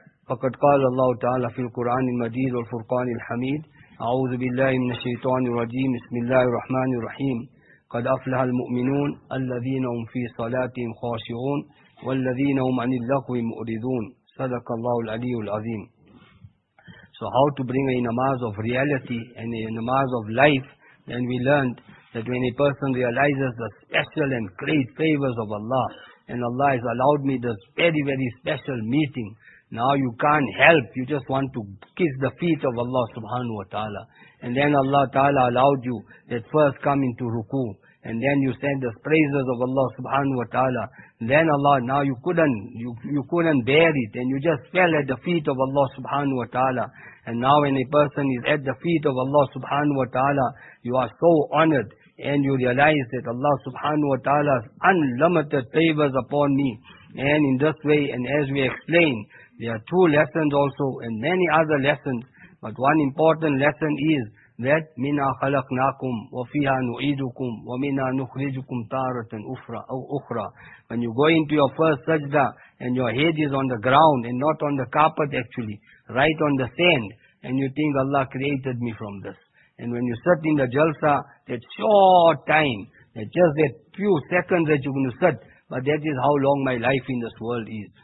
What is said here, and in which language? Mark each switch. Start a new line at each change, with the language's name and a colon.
Arabic: فقد قال الله تعالى في القرآن المجيد والفرقان الحميد أعوذ بالله من الشيطان الرجيم بسم الله الرحمن الرحيم قد أفلح المؤمنون الذين هم في صلاتهم خاشعون والذين هم عن اللغو مؤرضون صدق الله العلي العظيم.
English: So how to bring a namaz of reality and a namaz of life, then we learned that when a person realizes the special and great favors of Allah, and Allah has allowed me this very, very special meeting, now you can't help, you just want to kiss the feet of Allah subhanahu wa ta'ala. And then Allah ta'ala allowed you that first come into ruku, and then you send the praises of Allah subhanahu wa ta'ala. Then Allah, now you couldn't bear it, and you just fell at the feet of Allah subhanahu wa ta'ala. And now when a person is at the feet of Allah subhanahu wa ta'ala, you are so honored, and you realize that Allah subhanahu wa ta'ala has unlimited favors upon me. And in this way, and as we explain, there are two lessons also, and many other lessons. But one important lesson is that
Arabic: مِنَا خَلَقْنَاكُمْ وَفِيهَا نُعِيدُكُمْ وَمِنَا نُخْرِجُكُمْ تَارَةً أُخْرَى.
English: When you go into your first sajda, and your head is on the ground, and not on the carpet actually, right on the sand, and you think Allah created me from this. And when you sit in the jalsa, that short time, that just that few seconds that you're going to sit, but that is how long my life in this world is.